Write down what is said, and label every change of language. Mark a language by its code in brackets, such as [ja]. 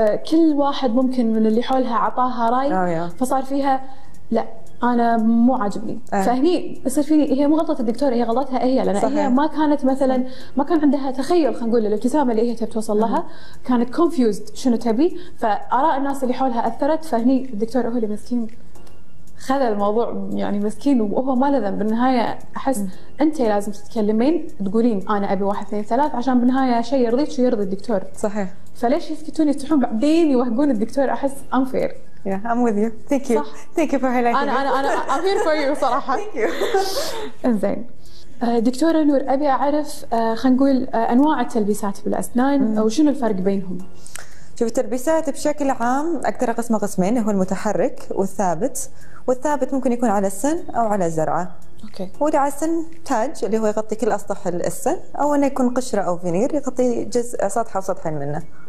[ar] كل واحد ممكن من اللي حولها عطاها رأي فصار فيها لا أنا مو عاجبني فهني يصير فيني هي مو غلطة الدكتورة هي غلطتها هي لأن صحيح. هي ما كانت مثلا ما كان عندها تخيل خلينا نقول الابتسامة اللي هي تبي توصل لها كانت confused شنو تبي فآراء الناس اللي حولها أثرت فهني الدكتور هو اللي مسكين خذ الموضوع يعني مسكين وهو ما له ذنب بالنهاية أحس أنت لازم تتكلمين تقولين أنا أبي واحد اثنين ثلاث عشان بالنهاية شيء يرضيك شيء يرضي الدكتور صحيح فليش يسكتون يفتحون بعدين يوهقون الدكتور أحس unfair [en] Yeah, I'm with you. Thank you. [ar] صح. [en] Thank you for highlighting. [ar] أنا [en] I'm here for you [ar] صراحة. [en] Thank you. [ar] إنزين. دكتورة نور، أبي أعرف خلينا نقول أنواع التلبيسات بالأسنان أو شنو الفرق بينهم؟ شوف، التلبيسات بشكل عام أقدر أقسمه قسمين، هو المتحرك والثابت. والثابت ممكن يكون على السن أو على الزرعة. أوكي. ودي على السن تاج اللي هو يغطي كل أسطح السن، أو إنه يكون قشرة أو فينير يغطي جزء سطحة أو سطحين منه.